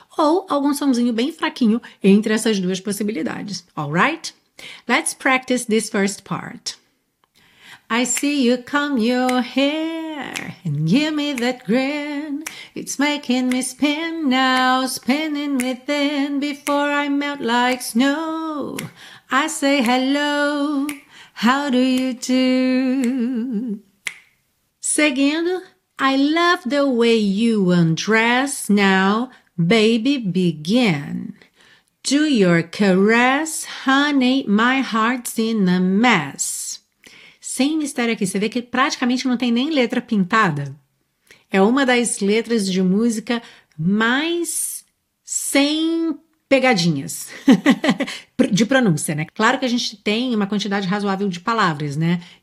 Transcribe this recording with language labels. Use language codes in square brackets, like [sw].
[pt] Ou algum somzinho bem fraquinho entre essas duas possibilidades, alright? [en] Let's practice this first part. I see you comb your hair and give me that grin. It's making me spin now, spinning within. Before I melt like snow, I say hello, how do you do? [pt] Seguindo, [en] I love the way you undress now, baby, begin. Do your caress, honey, my heart's in a mess. [pt] Sem mistério aqui, você vê que praticamente não tem nem letra pintada. É uma das letras de música mais sem pegadinhas de pronúncia, né? Claro que a gente tem uma quantidade razoável de palavras, né?